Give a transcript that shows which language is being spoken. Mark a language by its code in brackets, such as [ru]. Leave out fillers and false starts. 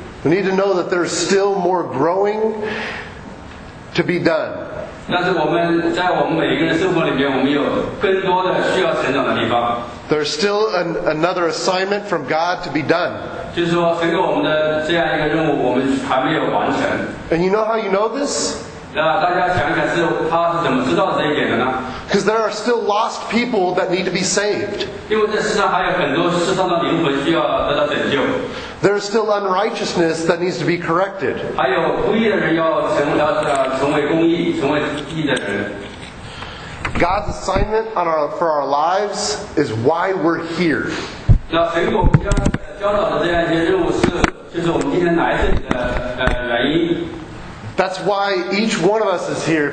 [en] We need to know that there's still more growing to be done. [zh] 但是我们在我们每一个人生活里面，我们有更多的需要成长的地方。 [en] There's still another assignment from God to be done. [zh] 就是说，神给我们的这样一个任务，我们还没有完成。 [en] And you know how you know this? [zh] 那大家想一想，是他是怎么知道这一点的呢？ [en] Because there are still lost people that need to be saved. [zh] 因为这世上还有很多世上的灵魂需要得到拯救。 [en] There is still unrighteousness that needs to be corrected. [zh] 还有不义的人要成为公义，成为义的人。 [en] God's assignment for our lives is why we're here. [zh] 那神给我们交代的这样一些任务是，就是我们今天来这里的原因。 [en] That's why each one of us is here.